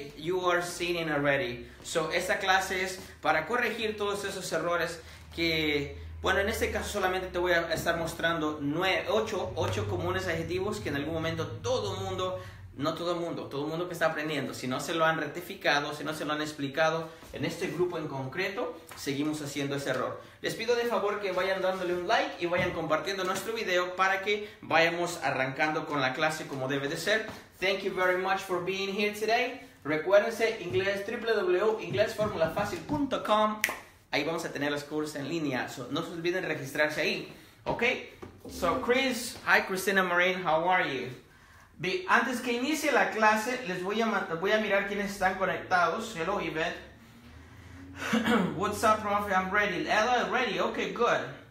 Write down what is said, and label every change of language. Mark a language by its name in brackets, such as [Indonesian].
[English] You are sinning already. [Spanish] So, esta clase es para corregir todos esos errores que, bueno, en este caso solamente te voy a estar mostrando 8 comunes adjetivos que en algún momento todo el mundo que está aprendiendo, si no se lo han ratificado, si no se lo han explicado en este grupo en concreto, seguimos haciendo ese error. Les pido de favor que vayan dándole un like y vayan compartiendo nuestro video para que vayamos arrancando con la clase como debe de ser. [English] Thank you very much for being here today. [Spanish] Recuérdense, inglés, www.inglesformulafacil.com. Ahí vamos a tener los cursos en línea. [English] So, [Spanish] no se olviden registrarse ahí. [English] Ok. So, Chris. Hi, Christina Marine. How are you? [Spanish] Antes que inicie la clase, les voy a mirar quiénes están conectados. [English] Hello, Yvette. What's up, Rafi? I'm ready. Ella, ready. Okay, good.